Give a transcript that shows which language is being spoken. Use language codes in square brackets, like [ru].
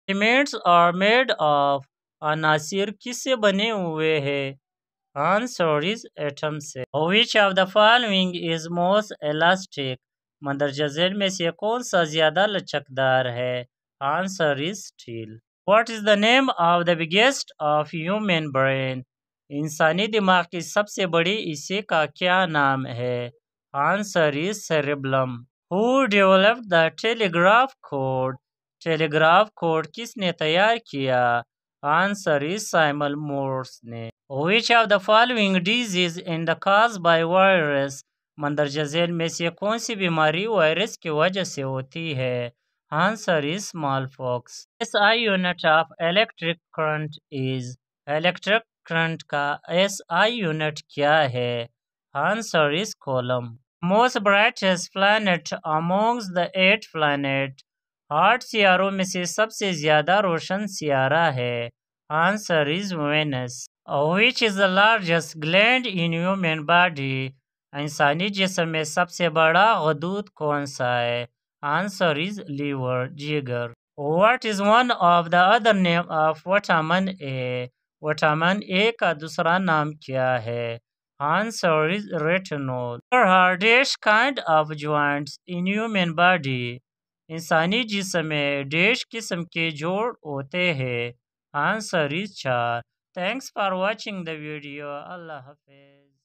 [en] Cements are made of? [ur] Anasir kis se bane huye hai? [en] Answer is atom se. Which of the following is most elastic? [ur] مندرجہ ذیل میں سے کون سا زیادہ لچکدار ہے؟ [en] Answer is steel. What is the name of the biggest of human brain? [ur] انسانی دماغ کی سب سے بڑی حصے کا کیا نام ہے؟ [en] Answer is cerebellum. Who developed the telegraph code? Telegraph code [ur] کس نے تیار کیا؟ [en] Answer is Samuel Morse نے. Which of the following disease is caused by virus? [ur] مندرجہ ذیل میں سے کون سی بیماری وائرس کی وجہ سے ہوتی ہے؟ [en] Answer is small pox. SI unit of electric current is. Electric current کا SI unit [ur] کیا ہے؟ [en] Answer is coulomb. Most brightest planet amongst the eight planets. [ur] آٹھ سیاروں میں سے سب سے زیادہ روشن سیارہ ہے؟ [en] Answer is Venus. Which is the largest gland in human body? [ur] انسانی جسم میں سب سے بڑا غدود کون سا ہے؟ [en] Answer is liver, [ur] جگر. [en] What is one of the other name of vitamin A? [ur] Vitamin A کا دوسرا نام کیا ہے؟ [en] Answer is retinol. The hardest kind of joints in human body? [ur] انسانی جسم میں ڈیش قسم کے جوڑ ہوتے ہیں؟ [en] Answer is char. Thanks for watching the video. [ur] Allah Hafiz.